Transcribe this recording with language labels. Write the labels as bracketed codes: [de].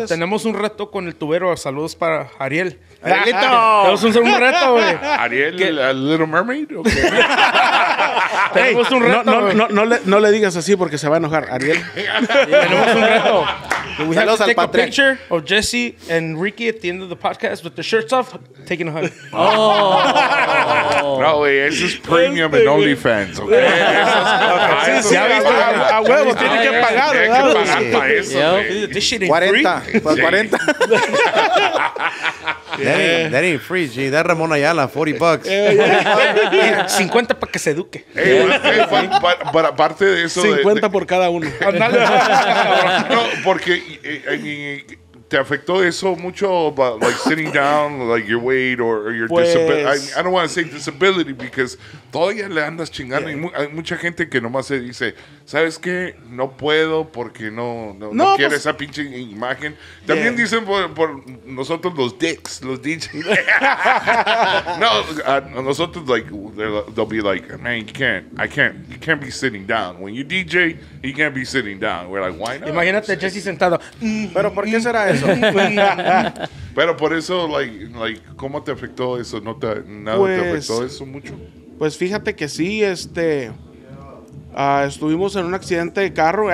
[es] Tenemos un reto con el tubero, saludos para Ariel. ¡Arielito! Tenemos un reto, güey. ¿Ariel, ¿qué? ¿La Little Mermaid? Okay. Tenemos un reto. No le digas así porque se va a enojar, Ariel. Tenemos un reto. [en] We have to take a picture of Jesse and Ricky at the end of the podcast with the shirts off, taking a hug. [es] No, güey, eso es premium [en] and OnlyFans, [es] ¿ok? Sí, sí, ya viste. A huevo, tiene que pagar, ¿verdad? Tiene que pagar para eso, güey. 40. 40. [en] That ain't free, G. That Ramón Ayala, 40 bucks. [es] 50 para que se eduque. Aparte de eso... 50 por cada uno. No, porque... ¿Te afectó eso mucho? [en] But like sitting down, like your weight or your disability. I don't want to say disability because [es] todavía le andas chingando. [en] Yeah. [es] Hay mucha gente que nomás se dice, ¿sabes qué? No puedo porque no quiere esa pinche imagen. También dicen por nosotros los dicks, los DJs. nosotros, [en] like, they'll be like, man, you can't be sitting down. When you DJ, you can't be sitting down. We're like, why not? [es] Imagínate Jesse sentado. ¿Pero por qué será eso? Pero por eso, [en] like, [es] ¿cómo te afectó eso? ¿Te afectó eso mucho? Pues fíjate que sí, estuvimos en un accidente de carro.